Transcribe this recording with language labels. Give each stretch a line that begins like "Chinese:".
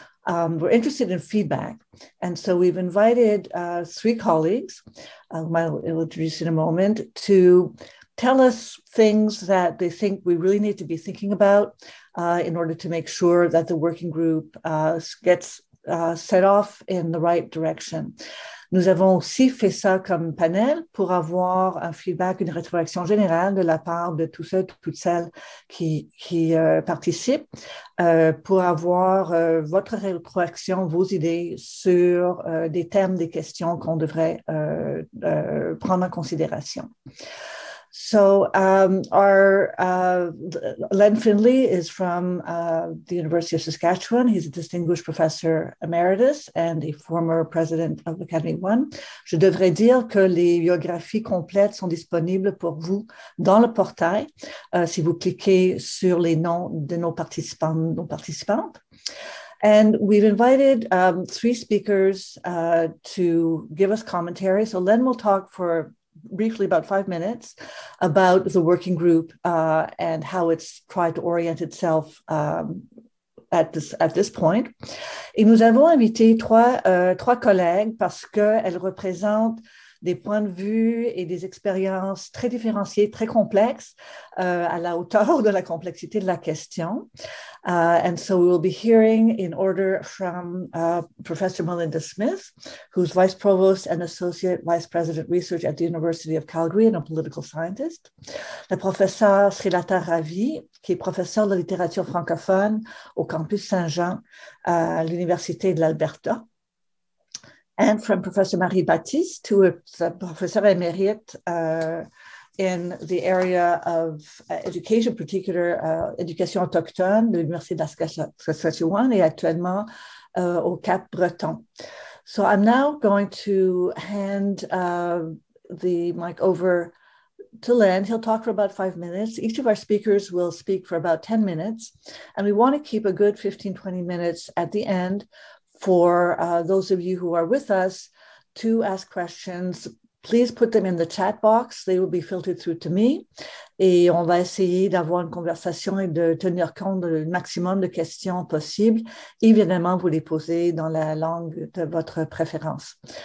English: We're interested in feedback, and so we've invited three colleagues, whom I will introduce in a moment, to tell us things that they think we really need to be thinking about in order to make sure that the working group gets set off in the right direction.
French: Nous avons aussi fait ça comme panel pour avoir un feedback, une rétroaction générale de la part de tous ceux, toutes celles qui participent, pour avoir votre rétroaction, vos idées sur des thèmes, des questions qu'on devrait prendre en considération.
English: So Len Findlay is from the University of Saskatchewan. He's a distinguished professor emeritus and a former president of Academy One.
French: Je devrais dire que les biographies complètes sont disponibles pour vous dans le portail si vous cliquez sur les noms de nos participants, nos participantes.
English: And we've invited three speakers to give us commentary. So Len will talk for briefly about 5 minutes about the working group and how it's tried to orient itself at this point.
French: Et nous avons invité trois collègues parce qu'elles représentent des points de vue et des expériences très différenciées, très complexes, à la hauteur de la complexité de la question.
English: And so we will be hearing in order from Professor Melinda Smith, who's Vice Provost and Associate Vice President Research at the University of Calgary and a political scientist.
French: La professeure Srilata Ravi, qui est professeure de littérature francophone au campus Saint-Jean à l'Université de l'Alberta.
English: And from Professor Marie Baptiste, who is a professor emerite in the area of education, particular education
French: autochtone, de l'Université de Saskatchewan, et actuellement au Cap Breton.
English: So I'm now going to hand the mic over to Len. He'll talk for about 5 minutes. Each of our speakers will speak for about 10 minutes. And we want to keep a good 15, 20 minutes at the end for those of you who are with us to ask questions. Please put them in the chat box. They will be filtered through to me.
French: Et on va essayer d'avoir une conversation et de tenir compte du maximum de questions possibles. Évidemment, vous les posez dans la langue de votre préférence.